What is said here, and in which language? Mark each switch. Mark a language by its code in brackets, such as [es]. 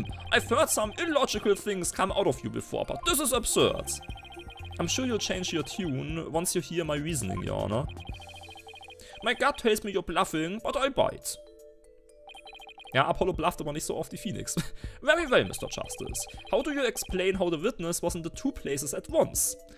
[en] I've heard some illogical things come out of you before, but this is absurd. I'm sure you'll change your tune once you hear my reasoning, Your Honor. My gut tells me you're bluffing, but I bite. [de] Ja, Apollo blufft aber nicht so oft wie Phoenix. [en] Very well, Mr. Justice. How do you explain how the witness was in the two places at once?